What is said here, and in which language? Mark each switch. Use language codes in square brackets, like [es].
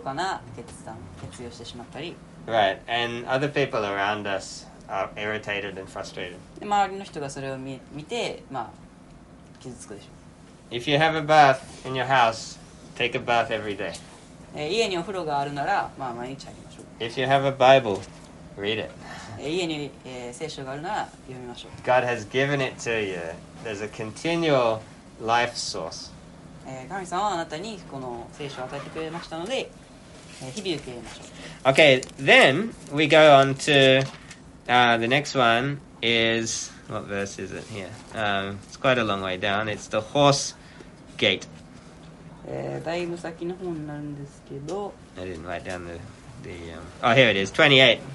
[ja] かな決断、決意をしてしまったり。 [en] Right, and other people around us. Are irritated and frustrated. [ja] 周りの人がそれを見て、まあ、傷つくでしょう。 [en] If you have a bath in your house, take a bath every day. [ja] 家にお風呂があるなら、まあ、毎日入りましょう。 [en] If you have a Bible, read it. [ja] 家に、聖書があるなら読みましょう。 [en] God has given it to you. There's a continual life source. [ja] 神様はあなたにこの聖書を与えてくれましたので、日々受け入れましょう。 [en] Okay, then we go on to... the next one is, what verse is it here? It's quite a long way down. It's the horse gate. [ja] だいぶ先の方になるんですけど。 [en] I didn't write down the here it is, 28.